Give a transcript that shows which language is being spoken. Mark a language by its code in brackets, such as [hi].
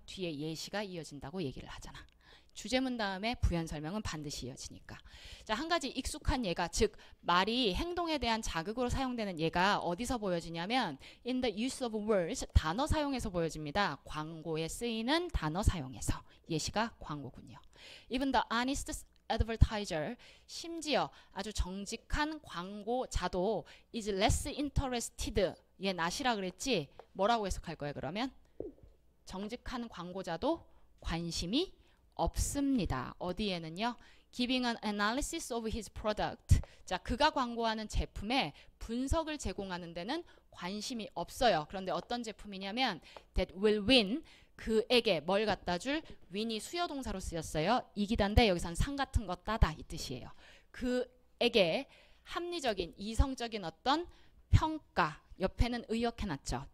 [ko] 뒤에 예시가 이어진다고 얘기를 하잖아. 주제문 다음에 부연 설명은 반드시 이어지니까. 자, 한 가지 익숙한 예가, 즉, 말이 행동에 대한 자극으로 사용되는 예가 어디서 보여지냐면, [en] in the use of words, [ko] 단어 사용에서 보여집니다. 광고에 쓰이는 단어 사용에서. 예시가 광고군요. [en] Even the honest advertiser, [ko] 심지어 아주 정직한 광고자도 [en] is less interested. [ko] 얘 낯이라 그랬지? 뭐라고 해석할 거야, 그러면? 정직한 광고자도 관심이 없습니다. 어디에는요? [en] Giving an analysis of his product. [ko] 자, 그가 광고하는 제품에 분석을 제공하는 데는 관심이 없어요. 그런데 어떤 제품이냐면 [en] that will win [ko] 그에게 뭘 갖다 줄 win이 수여 동사로 쓰였어요. 이기단데 여기서는 상 같은 거 따다 이 뜻이에요. 그에게 합리적인 이성적인 어떤 평가 옆에는 의역해 놨죠.